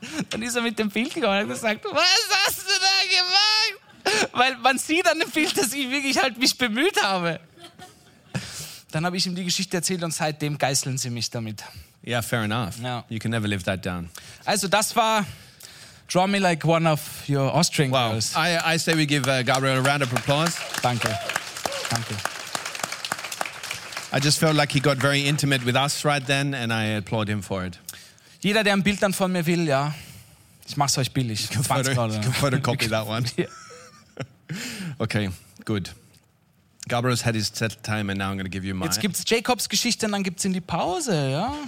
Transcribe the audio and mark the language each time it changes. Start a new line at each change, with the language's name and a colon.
German: Dann ist er mit dem Bild gekommen und hat gesagt: Was hast du da gemacht? Weil man sieht an dem Bild, dass ich wirklich halt mich bemüht habe. Dann habe ich ihm die Geschichte erzählt und seitdem geißeln sie mich damit.
English: Yeah, fair enough. No. You can never live that down.
German: Also das war
English: Draw Me Like One of Your Austrian wow. Girls. I say we give Gabriel a round of applause.
German: Danke. Danke.
English: I just felt like he got very intimate with us right then and I applaud him for it.
German: Jeder, der ein Bild dann von mir will, ja, ich mache es euch billig.
English: You can photocopy that one. Okay, good. Gabriel's had his set time and now I'm going to give you mine.
German: Jetzt gibt's Jacobs Geschichte und dann gibt's in die Pause, ja.